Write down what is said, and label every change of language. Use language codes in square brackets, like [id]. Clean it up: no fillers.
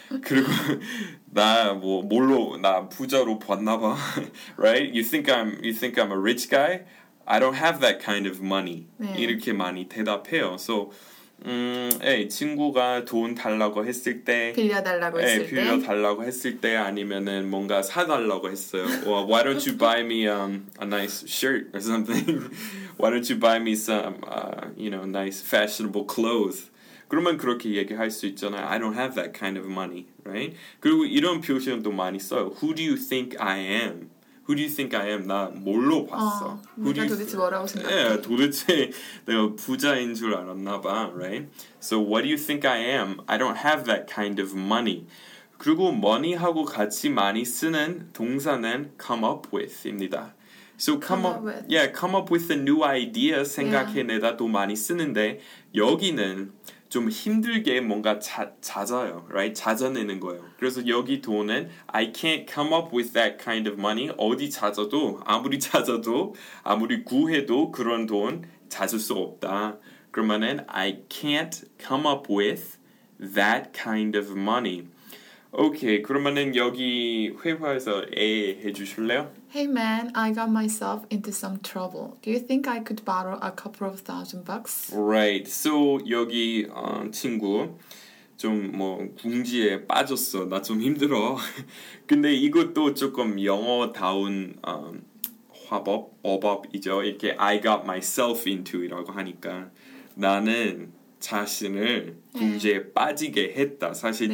[ko] 그리고 나 뭐 뭘로 나 부자로 봤나 봐. [en] Right? You think I'm a rich guy? I don't have that kind of money. [ko] 네. 이렇게 많이 대답해요. So 친구가 돈 달라고 했을 때 빌려달라고 했을 때 아니면은 뭔가 사달라고 했어요. [en] Well, why don't you buy me a nice shirt or something? Why don't you buy me some you know nice fashionable clothes? [ko] 그러면 그렇게 얘기할 수 있잖아요. [en] I don't have that kind of money, right? [ko] 그리고 이런 표현도 많이 써요. [en] Who do you think I am? Who do you think I am? [ko] 나 뭘로 봤어? 도대체 내가 부자인 줄 알았나 봐, right? [en] So what do you think I am? I don't have that kind of money. [ko] 그리고 money하고 같이 많이 쓰는 동사는 come up with입니다. So [en] come up with a new idea [ko] 생각해내다 또 많이 쓰는데 여기는 좀 힘들게 뭔가 찾아요, right? 찾아내는 거예요. 그래서 여기 돈은 [en] I can't come up with that kind of money. [ko] 어디 찾아도, 아무리 찾아도, 아무리 구해도 그런 돈 찾을 수 없다. 그러면은 [en] I can't come up with that kind of money. [ko] 오케이, 그러면은 여기 회화에서 A 해주실래요? [en] Hey man, I got myself into some trouble. Do you think I could borrow a couple of $1,000? Right. [ko] So 여기 친구 좀 뭐 궁지에 빠졌어. 나 좀 힘들어. 근데 이것도 조금 영어다운 화법, 어법이죠. 이렇게 [en] I got myself into [ko] 이라고 하니까 나는 자신을 궁지에 빠지게 했다. 사실 네.